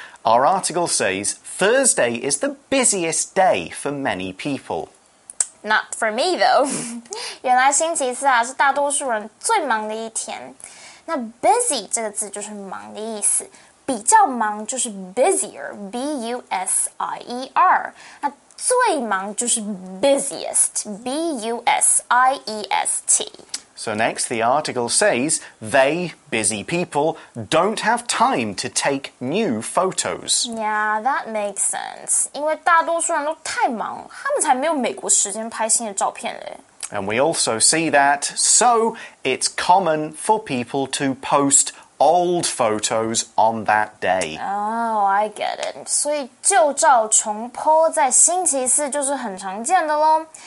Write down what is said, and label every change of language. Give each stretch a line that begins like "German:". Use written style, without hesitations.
English: Our article says, Thursday is the busiest day for many people. Not for me, though.
Chinese: 原来星期四啊，是大多数人最忙的一天。那 busy 这个字就是忙的意思。比较忙就是 busier, B-U-S-I-E-R。那最忙就是 busiest, B-U-S-I-E-S-T。
English: So next, the article says, they, busy people, don't have time to take new photos. Yeah, that makes sense.
Chinese: 因为大多数人都太忙，他们才没有美国时间拍新的照片咧。
English: And we also see that, so it's common for people to post old photos on that day. Oh, I get it.
Chinese: 所以旧照重po在星期四就是很常见的咯。